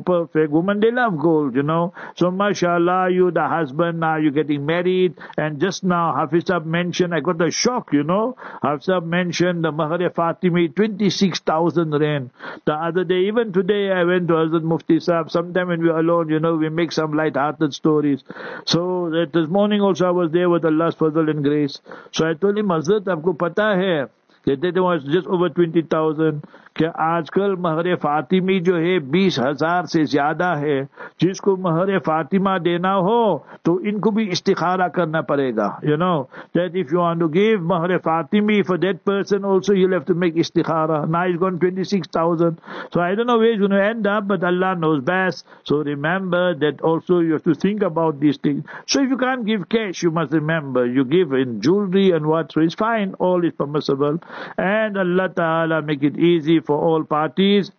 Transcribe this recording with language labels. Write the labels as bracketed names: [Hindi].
[English] Perfect woman, they love gold, you know. So mashallah, you the husband, now you're getting married, and just now Hafizab mentioned, I got a shock, you know, Hafizab mentioned the Mahare Fatimi, 26,000 rand. The other day, even today, I went to Hazrat Mufti Sahib, sometime when we're alone, you know, we make some light-hearted stories. So that this morning also I was there with Allah's fazl and grace. So I told him, Hazrat, [Urdu] aapko pata hai کہتے ہیں جس over 20,000 کہ آج کل مہر فاطمی جو ہے 20,000 سے زیادہ ہے, جس کو مہر فاطمہ دینا ہو تو ان کو بھی استخارہ کرنا پڑے گا. [English] You know that if you want to give mehr Fatimi for that person also you'll have to make istikhara. Now he's gone 26,000, so I don't know where he's going to end up, but Allah knows best. So remember that also, you have to think about these things. So if you can't give cash, you must remember you give in jewelry and what, so it's fine, all is permissible, and Allah Ta'ala make it easy for all parties.